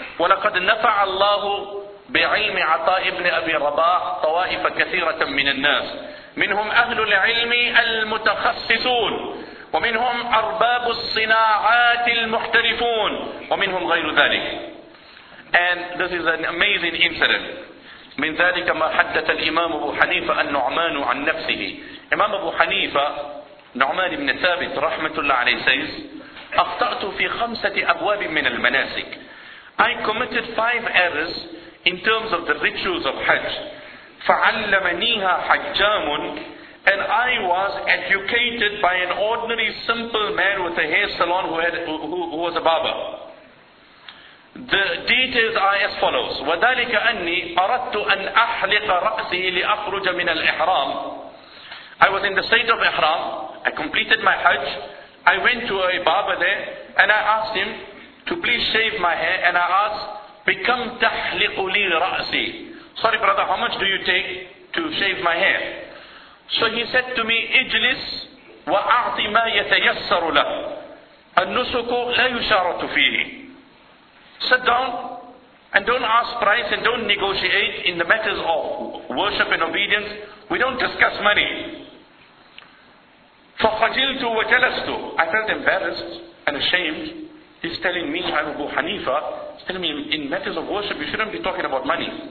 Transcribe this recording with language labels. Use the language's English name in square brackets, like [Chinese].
[Arabic] وَلَقَدْ نَفَعَ اللَّهُ بِعِلْمِ عَطَاءِ ابْنِ أَبِي رَبَاحٍ طَوَائِفَ كَثِيرَةً مِّنَ النَّاسِ مِنْهُمْ أَهْلُ الْعِلْمِ الْمُتَخَصِّصُونَ وَمِنْهُمْ أَرْبَابُ الصِّنَاعَاتِ الْمُحْتَرِفُونَ وَمِنْهُمْ غَيْرُ ذَلِكَ. [English] And this is an amazing incident. [Arabic] من ذلك ما حدث الإمام أبو حنيفة النعمان عن نفسه. [English] Imam Abu Hanifa, Nu'man ibn Thabit, rahmatullah alayhi, says, [Arabic] أَخْطَأْتُ فِي خَمْسَةِ أَبْوَابٍ مِّنَ الْمَنَاسِكِ. [English] I committed 5 errors in terms of the rituals of Hajj. [Arabic] فَعَلَّمَنِيهَا حَجَّامٌ. [English] And I was educated by an ordinary simple man with a hair salon who was a barber. The details are as follows. [Arabic] وَذَلِكَ أَنِّي أَرَدْتُ أَنْ أَحْلِقَ رَأْسِهِ لِأَخْرُجَ مِنَ الْإِحْرَامِ. [English] I was in the state of Ihram. I completed my Hajj. I went to a barber there and I asked him to please shave my hair, and I asked, [Arabic] بِكَمْ تَحْلِقُ لِي رَأْسِي. [English] Sorry brother, how much do you take to shave my hair? So he said to me, [Arabic] اجلس وَأَعْطِ مَا يَتَيَسَّرُ لَهُ النُّسُكُ لَا يُشَارَتُ فِيهِ. [English] Sit down and don't ask price and don't negotiate in the matters of worship and obedience. We don't discuss money. [Arabic] فَخَجِلْتُ وَجَلَسْتُ. [English] I felt embarrassed and ashamed. He's telling me, I'm Abu Hanifa, he's telling me in matters of worship you shouldn't be talking about money.